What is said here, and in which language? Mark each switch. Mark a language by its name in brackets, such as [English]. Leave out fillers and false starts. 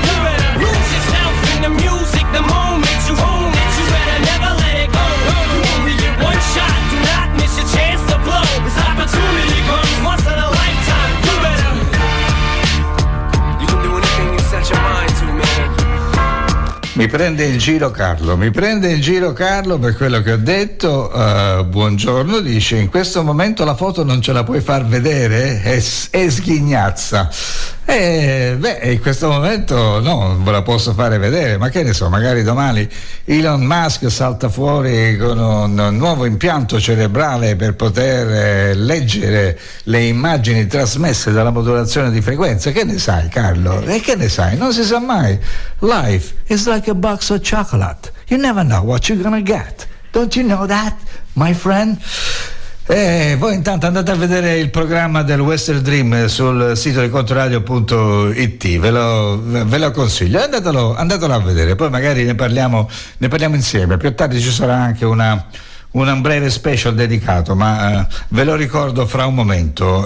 [English] You better lose yourself in the music, the moment you own it, you better never let it go. You only get one shot, do not miss your chance to blow. This opportunity comes once in a lifetime. You better. You can do anything you set your mind to, man. [Italian] Mi prende in giro Carlo, mi prende in giro Carlo per quello che ho detto. Buongiorno, dice, in questo momento la foto non ce la puoi far vedere, è sghignazza. In questo momento no, non ve la posso fare vedere, ma che ne so, magari domani Elon Musk salta fuori con un nuovo impianto cerebrale per poter leggere le immagini trasmesse dalla modulazione di frequenza. Che ne sai, Carlo? E che ne sai? Non si sa mai. [English] Life is like a box of chocolate. You never know what you're gonna get. Don't you know that, my friend? [Italian] Voi intanto andate a vedere il programma del Western Dream sul sito di controradio.it, ve lo consiglio, andatelo a vedere, poi magari ne parliamo insieme. Più tardi ci sarà anche un breve special dedicato, ma ve lo ricordo fra un momento.